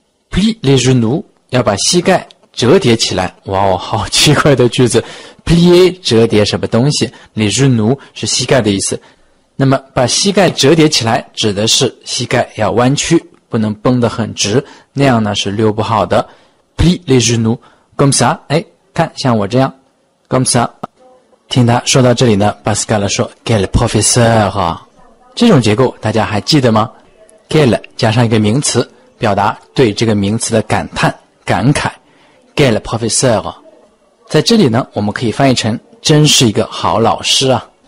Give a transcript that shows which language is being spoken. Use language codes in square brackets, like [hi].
[fr] Plie les genoux, [zh] 要把膝盖折叠起来。哇哦，好奇怪的句子。Plier, 折叠什么东西。 Les genoux, 是膝盖的意思。那么把膝盖折叠起来指的是膝盖要弯曲。不能绷得很直，那样呢是溜不好的。 [fr] Plie les genoux, comme ça, [zh] 哎，看，像我这样 , [fr] comme ça。 [zh] 听他说到这里呢 ,Pascal 说 , [fr] quel professeur, [zh] 这种结构大家还记得吗 ?quel 加上一个名词表达对这个名词的感叹感慨 ,quel professeur。在这里呢我们可以翻译成真是一个好老师啊。